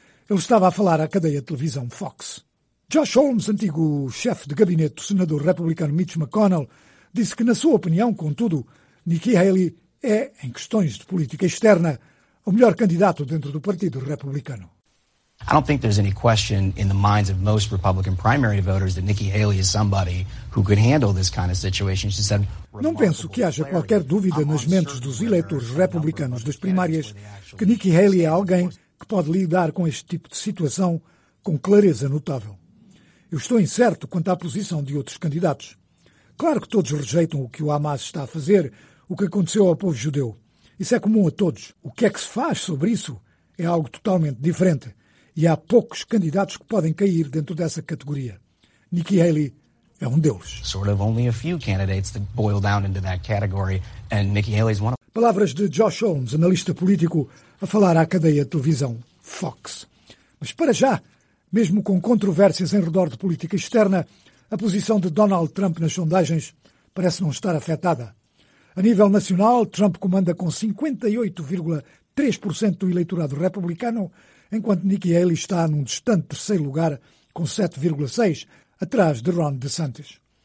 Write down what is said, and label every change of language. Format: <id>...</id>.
<pt>Ele estava a falar à cadeia de televisão Fox. Josh Holmes, antigo chefe de gabinete do senador republicano Mitch McConnell, disse que, na sua opinião, contudo, Nikki Haley é, em questões de política externa, o melhor candidato dentro do Partido Republicano.</pt> <en>I don't think there's any question in the minds of most Republican primary voters that Nikki Haley is somebody who could handle this kind of situation. She said.</en> <pt>Não penso que haja qualquer dúvida nas mentes dos eleitores republicanos das primárias que Nikki Haley é alguém que pode lidar com este tipo de situação com clareza notável. Eu estou incerto quanto à posição de outros candidatos. Claro que todos rejeitam o que o Hamas está a fazer, o que aconteceu ao povo judeu. Isso é comum a todos. O que é que se faz sobre isso é algo totalmente diferente. E há poucos candidatos que podem cair dentro dessa categoria. Nikki Haley é um deles.</pt> <en>Sort of only a few candidates that boil down into that category, and Nikki Haley is one of.</en> <pt>Palavras de Josh Holmes, analista político, a falar à cadeia de televisão Fox. Mas para já, mesmo com controvérsias em redor de política externa, a posição de Donald Trump nas sondagens parece não estar afetada. A nível nacional, Trump comanda com 58,3% do eleitorado republicano, enquanto Nikki Haley está num distante terceiro lugar, com 7,6%, atrás de Ron DeSantis.</pt>